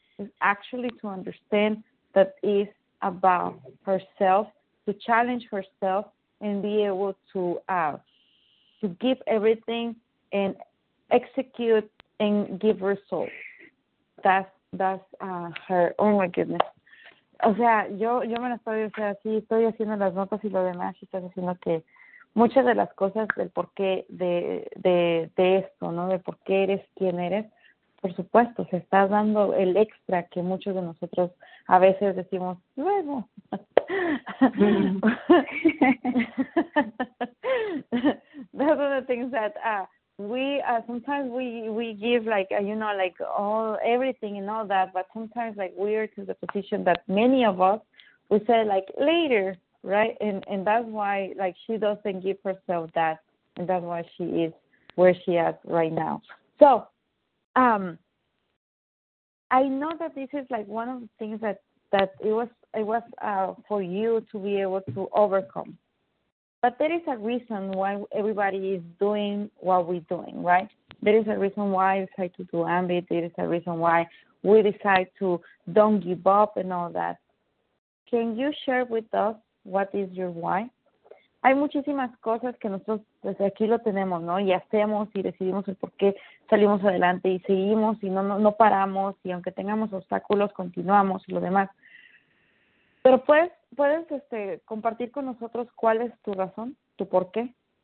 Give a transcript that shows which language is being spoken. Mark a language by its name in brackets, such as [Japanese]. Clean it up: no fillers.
[English] It's actually to understand that it's about herself, to challenge herself and be able to give everything and execute and give results. That's her. Oh, my goodness. [Spanish] O sea, yo me lo estoy, o sea, sí, estoy haciendo las notas y lo demás, y estás haciendo que muchas de las cosas del porqué de esto, ¿no? De por qué eres quien eres, por supuesto, se está dando el extra que muchos de nosotros a veces decimos, luego. [English] That's one of the things that sometimes we give, like, you know, like, all everything and all that, but sometimes, like, we are to the position that many of us, we say, like, later, right? And that's why, like, she doesn't give herself that, and that's why she is where she is right now. So, I know that this is, like, one of the things that it was for you to be able to overcome. But there is a reason why everybody is doing what we're doing, right? There is a reason why I decide to do Ambit. There is a reason why we decide to don't give up and all that. Can you share with us what is your why? [Spanish] Hay muchísimas cosas que nosotros desde aquí lo tenemos, ¿no? Y hacemos y decidimos el por qué salimos adelante y seguimos y no paramos. Y aunque tengamos obstáculos, continuamos y lo demás. Pero ¿Puedes compartir con nosotros cuál es tu razón, tu por qué?